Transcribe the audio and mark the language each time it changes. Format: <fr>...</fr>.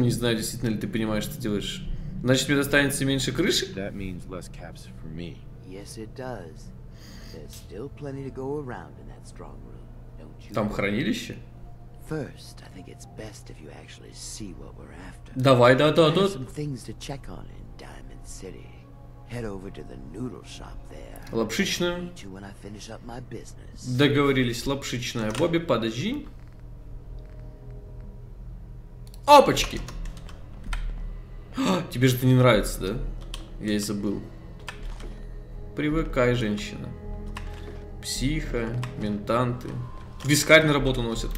<ru>Не знаю, действительно ли ты понимаешь, что делаешь. Значит, мне достанется меньше крыши?</ru> <en>That means less caps for me. Yes, it does. There's still plenty to go around in that strong room, don't you?</en> <ru>Там хранилище?</ru> <en>First, I think it's best if you actually see what we're after.</en> <ru>Давай, да.</ru> <en>Some things to check on in Diamond City. Head over to the noodle shop there.</en> <ru>Лапшичную.</ru> <en>I'll meet you when I finish up my business.</en> <ru>Договорились, лапшичная. Бобби, подожди. Опачки! Тебе же это не нравится, да? Я и забыл. Привыкай, женщина. Психа, ментанты. Вискарь на работу носят.</ru>